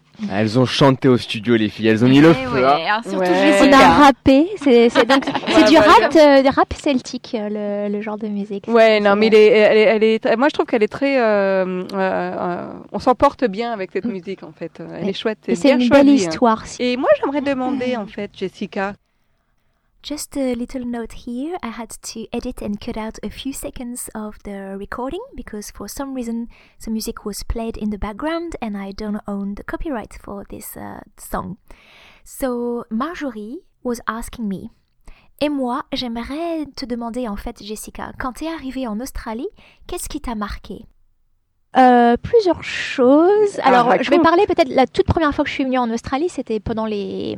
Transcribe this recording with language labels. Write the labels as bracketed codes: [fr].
[fr] Elles ont chanté au studio, les filles. Elles ont mis le feu. Ouais. Surtout on a rappé. C'est du rap celtique, le genre de musique. Ouais, non, mais elle est, moi, je trouve qu'elle est très... on s'en porte bien avec cette musique, en fait. Elle est chouette. C'est une belle histoire. Hein. Et moi, j'aimerais demander, en fait, Jessica... [en] Just a little note here, I had to edit and cut out a few seconds of the recording because for some reason the music was played in the background and I don't own the copyright for this song. So Marjorie was asking me, [fr] et moi j'aimerais te demander en fait Jessica, quand t'es arrivée en Australie, qu'est-ce qui t'a marqué? Plusieurs choses. Alors, je vais parler peut-être la toute première fois que je suis venue en Australie, c'était pendant les...